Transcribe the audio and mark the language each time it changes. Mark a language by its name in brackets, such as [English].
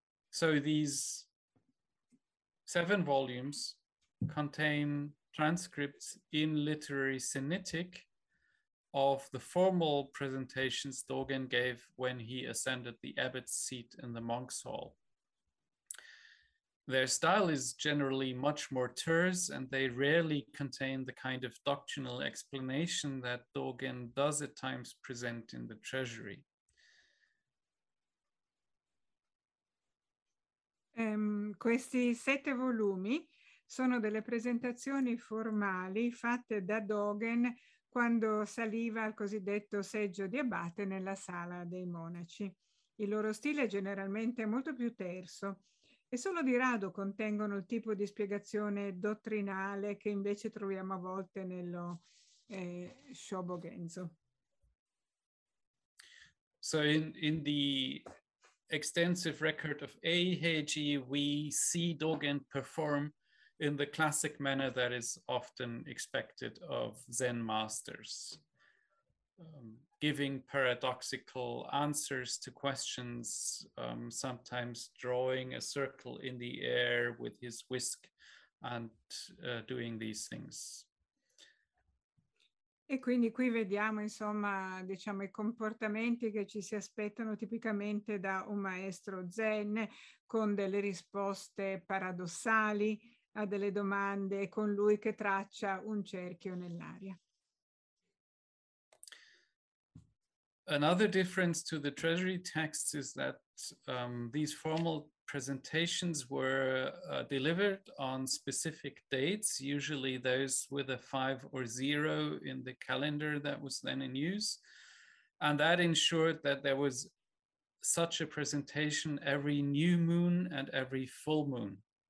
[English] So these 7 volumes contain transcripts in literary Sinitic of the formal presentations Dogen gave when he ascended the abbot's seat in the monk's hall. Their style is generally much more terse, and they rarely contain the kind of doctrinal explanation that Dogen does at times present in the Treasury. [Italian] Questi 7 volumi sono delle presentazioni formali fatte da Dogen quando saliva al cosiddetto seggio di abate nella sala dei monaci. Il loro stile è generalmente molto più terso e solo di rado contengono il tipo di spiegazione dottrinale che invece troviamo a volte nello Shobogenzo. [English] So in the extensive record of Eihei, we see Dogen perform in the classic manner that is often expected of Zen masters, giving paradoxical answers to questions, sometimes drawing a circle in the air with his whisk and doing these things. [Italian] E quindi qui vediamo, insomma, diciamo, i comportamenti che ci si aspettano tipicamente da un maestro Zen, con delle risposte paradossali a delle domande, con lui che traccia un cerchio nell'aria. [English] Another difference to the Treasury texts is that these formal presentations were delivered on specific dates, usually those with a 5 or 0 in the calendar that was then in use, and that ensured that there was such a presentation every new moon and every full moon.